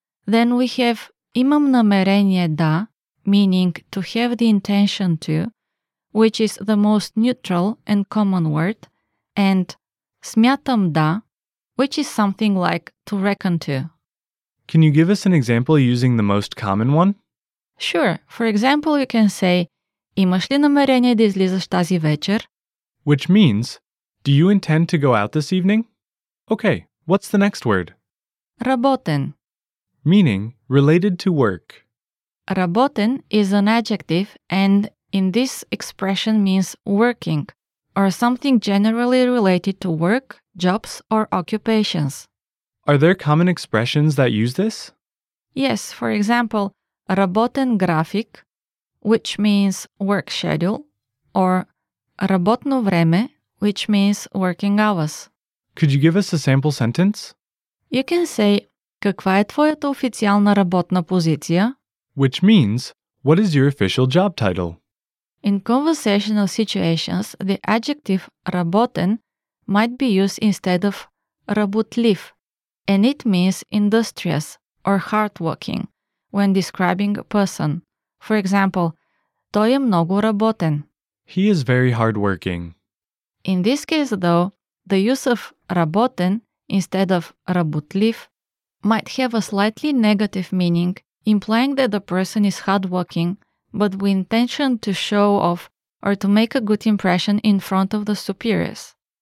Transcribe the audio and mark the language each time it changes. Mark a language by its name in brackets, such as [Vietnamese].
[English] Then we have [Bulgarian] Имам намерение да, [English] meaning to have the intention to, which is the most neutral and common word, and [Bulgarian] Смятам да, [English] which is something like to reckon to. Can you give us an example using the most common one? Sure. For example, you can say [Bulgarian] Имаш ли намерение да излизаш тази вечер? [English] Which means, do you intend to go out this evening? Okay, what's the next word? [Bulgarian] Работен. [English] Meaning, related to work. Работен is an adjective and in this expression means working or something generally related to work, jobs or occupations. Are there common expressions that use this? Yes, for example, [Bulgarian] Работен график, [English] which means work schedule, or [Bulgarian] работно време, [English] which means working hours. Could you give us a sample sentence? You can say, [Bulgarian] каква е твоята официална работна позиция? [English] Which means, what is your official job title? In conversational situations, the adjective работен might be used instead of работлив, and it means industrious or hardworking. When describing a person. For example, [Bulgarian] Той е много работен. [English] He is very hardworking. In this case, though, the use of работен instead of работлив might have a slightly negative meaning, implying that the person is hardworking, but with intention to show off or to make a good impression in front of the superiors.